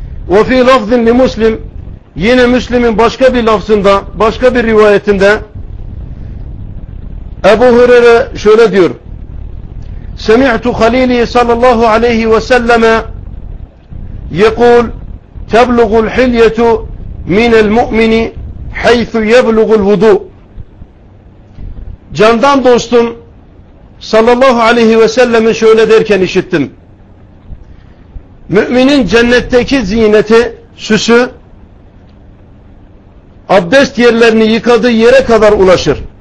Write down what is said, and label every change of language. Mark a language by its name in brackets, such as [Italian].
[Turkish] وَفِي لَفْظٍ لِمُسْلِمٍ Yine Müslim'in başka bir lafzında, başka bir rivayetinde Ebu Hureyre şöyle diyor: سَمِعْتُ خَلِيلِي صَلَى اللّٰهُ عَلَيْهِ وَسَلَّمَ [Arabic] يقول تبلغ الحلية من المؤمن حيث يبلغ الوضوء. [Turkish] Candan dostum sallallahu aleyhi ve sellem'i şöyle derken işittim. Müminin cennetteki ziyneti, süsü, abdest yerlerini yıkadığı yere kadar ulaşır.